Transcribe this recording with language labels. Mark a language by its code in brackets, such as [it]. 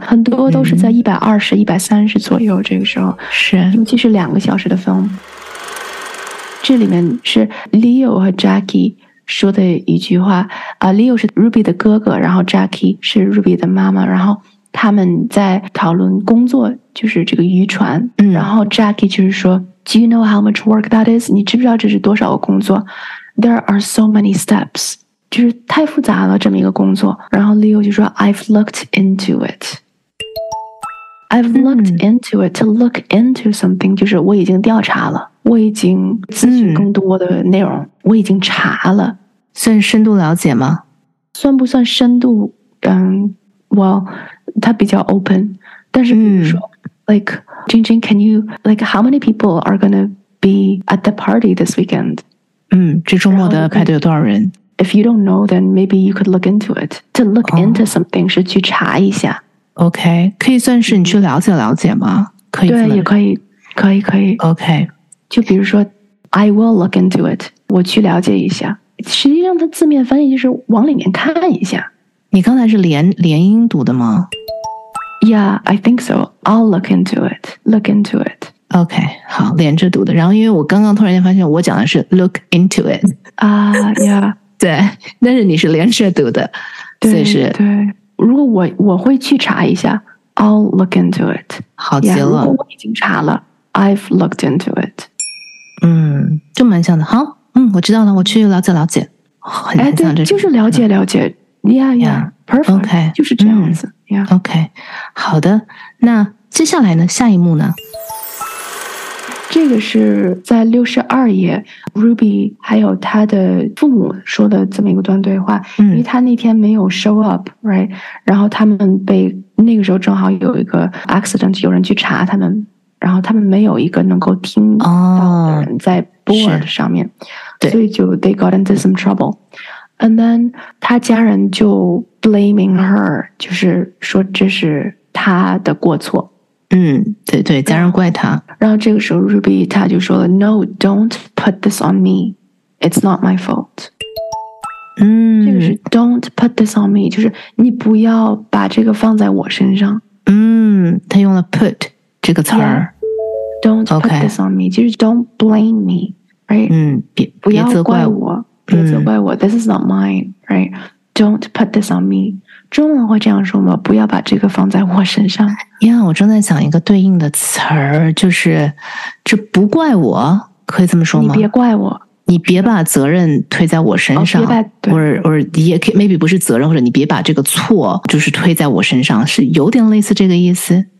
[zh] 很多都是在120、130左右，这个时候是，尤其是两个小时的 film。这里面是 Leo 和 Jackie说的一句话啊， Leo 是 Ruby 的哥哥，然后 Jackie 是 Ruby 的妈妈，然后他们在讨论工作，就是这个渔船。嗯，然后 Jackie 就是说 [en] Do you know how much work that is? [zh] 你知不知道这是多少个工作？ [en] There are so many steps. [zh] 就是太复杂了，这么一个工作。然后 Leo 就说 [en] I've looked into it. I've looked into it. To look into something [zh] 就是我已经调查了，我已经咨询更多的内容，我已经查了。算深度了解吗？算不算深度？ [en] Well, [zh] 它比较 [en] open, [zh] 但是比如说、 [en] like, Jing Jing, can you, like, how many people are going to be at the party this weekend? [zh] 这周末的派对有多少人？ [en] If you don't know, then maybe you could look into it. To look into something [zh] 是去查一下。 OK, 可以算是你去了解了解吗？可以。对，也可以，可以，可以。 [en] OK, [zh] 就比如说 [en] I will look into it, [zh] 我去了解一下。实际上它字面翻译就是往里面看一下。你刚才是连音读的吗？ [en] Yeah, I think so. I'll look into it. Look into it. [zh] OK, 好，连着读的。然后因为我刚刚突然间发现我讲的是 [en] look into it. Yeah. [zh] 对，但是你是连着读的。对，所以是，对。如果我会去查一下， [en] I'll look into it. [zh] 好极了。 Yeah, 如果我已经查了， [en] I've looked into it. [zh] 就蛮像的。好，我知道了，我去了解了解。哎，对，就是了解了解。 [en] Yeah, perfect. Okay, [zh] 就是这样子。Yeah. Okay, 好的。那接下来呢？下一幕呢？这个是在62页 ，Ruby 还有他的父母说的这么一个段对话。因为他那天没有 show up, right? 然后他们被那个时候正好有一个 accident, 有人去查他们，然后他们没有一个能够听到的人在 board 上面，所以就 [en] they got into some trouble. [zh] And then 他家人就 [en] blaming her, [zh] 就是说这是他的过错。对对，家人怪他。然后这个时候 [en] Ruby [zh] 他就说了 [en] No, don't put this on me. It's not my fault. [zh] 这个是 [en] don't put this on me, [zh] 就是你不要把这个放在我身上。他用了 put 这个词儿。 [en] Yeah, don't put this on me, 就是 don't blame me, right? [zh] 不要怪我。别责怪我 [en] This is not mine, right? Don't put this on me. [zh] 中文会这样说吗？不要把这个放在我身上。 Yeah, 我正在想一个对应的词儿，就是这不怪我，可以这么说吗？你别怪我，你别把责任推在我身上。别把，或者也可以 maybe 不是责任，或者你别把这个错就是推在我身上，是有点类似这个意思。